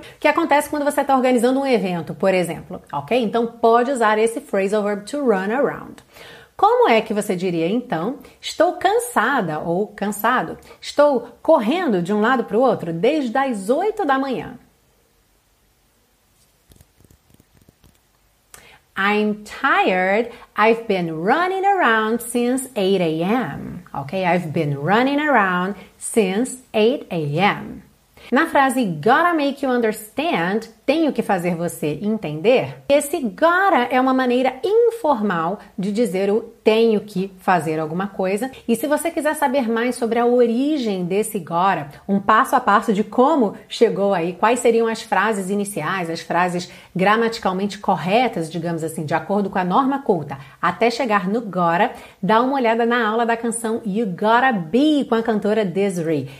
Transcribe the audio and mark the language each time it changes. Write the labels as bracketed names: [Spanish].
[Portuguese] O que acontece quando você está organizando um evento, por exemplo, ok? Então, pode usar esse phrasal verb to run around. Como é que você diria então, estou cansada ou cansado, estou correndo de um lado para o outro desde as 8 da manhã? [English] I'm tired, I've been running around since 8 a.m. Ok, I've been running around since 8 a.m. [Portuguese] Na frase [English] gotta make you understand, [Portuguese] tenho que fazer você entender, esse gotta é uma maneira informal de dizer o tenho que fazer alguma coisa. E se você quiser saber mais sobre a origem desse gotta, um passo a passo de como chegou aí, quais seriam as frases iniciais, as frases gramaticalmente corretas, digamos assim, de acordo com a norma culta, até chegar no gotta, dá uma olhada na aula da canção You Gotta Be com a cantora Desiree.